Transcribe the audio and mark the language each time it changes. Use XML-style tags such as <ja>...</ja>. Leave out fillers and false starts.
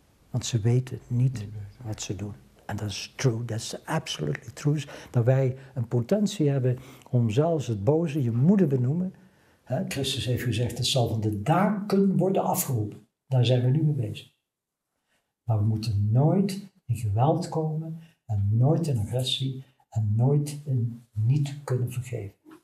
<nl>Want ze weten niet wat ze doen. En dat is</nl> <en>true, that's absolutely true.</en> <nl>Dat wij een potentie hebben om zelfs het boze, je moeder benoemen. Christus heeft gezegd, het zal van de daken worden afgeroepen. Daar zijn we nu mee bezig. Maar we moeten nooit in geweld komen en nooit in agressie en nooit in niet kunnen vergeven.</nl>